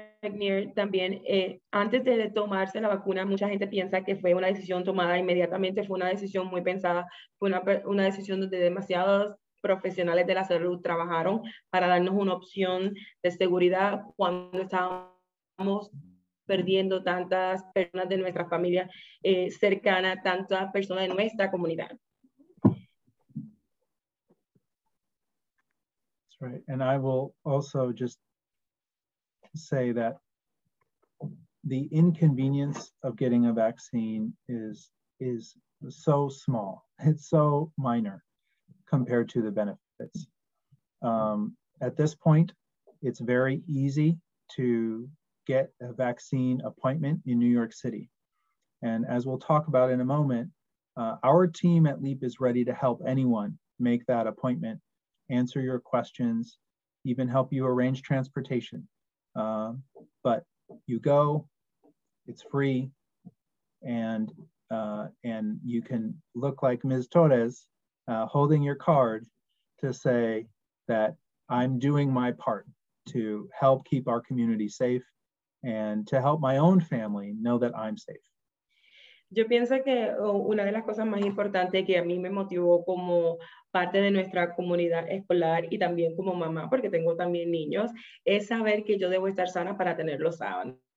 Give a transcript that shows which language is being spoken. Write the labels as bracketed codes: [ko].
[es] Regnier, también antes de tomarse la vacuna, mucha gente piensa que fue una decisión tomada inmediatamente, fue una decisión muy pensada, fue una decisión donde demasiados profesionales de la salud trabajaron para darnos una opción de seguridad cuando estábamos estamos perdiendo tantas personas de nuestra familia cercana, tantas personas de nuestra comunidad. [en] That's right. And I will also just say that the inconvenience of getting a vaccine is so small. It's so minor compared to the benefits. At this point, it's very easy to get a vaccine appointment in New York City. And as we'll talk about in a moment, our team at LEAP is ready to help anyone make that appointment, answer your questions, even help you arrange transportation. But you go, it's free, and you can look like Ms. Torres holding your card to say that I'm doing my part to help keep our community safe and to help my own family know that I'm safe. [es] Yo pienso que una de las cosas más importantes que a mí me motivó como parte de nuestra comunidad escolar y también como mamá, porque tengo también niños, es saber que yo debo estar sana para tenerlos sanos.